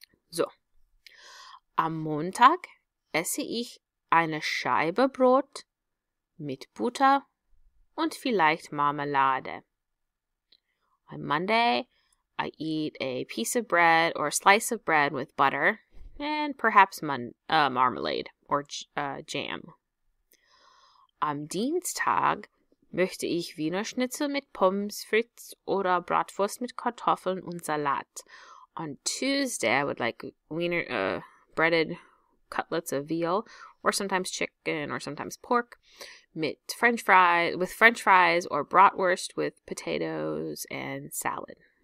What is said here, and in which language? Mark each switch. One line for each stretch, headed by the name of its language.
German: So, am Montag esse ich eine Scheibe Brot mit Butter und vielleicht Marmelade.
English: On Monday, I eat a piece of bread or a slice of bread with butter and perhaps marmalade or jam.
German: Am Dienstag möchte ich Wiener Schnitzel mit Pommes frites oder Bratwurst mit Kartoffeln und Salat.
English: On Tuesday, I would like Wiener breaded cutlets of veal, or sometimes chicken, or sometimes pork, with French fries, or Bratwurst with potatoes and salad.